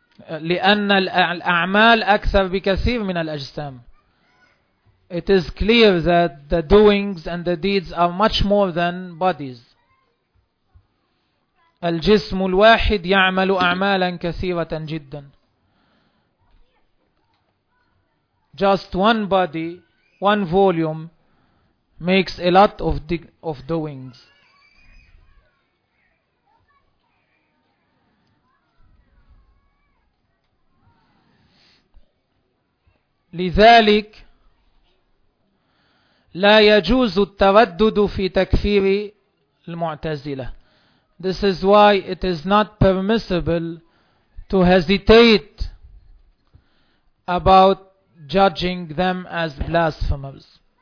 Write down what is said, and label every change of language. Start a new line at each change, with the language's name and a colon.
Arabic: لأن الأعمال أكثر بكثير من الأجسام.
English: It is clear that the doings and the deeds are much more than bodies.
Arabic: الجسم الواحد يعمل أعمالا كثيرة جدا.
English: Just one body, one volume makes a lot of doings.
Arabic: لذلك لا يجوز التردد في تكفير المعتزلة.
English: This is why it is not permissible to hesitate about judging them as blasphemers.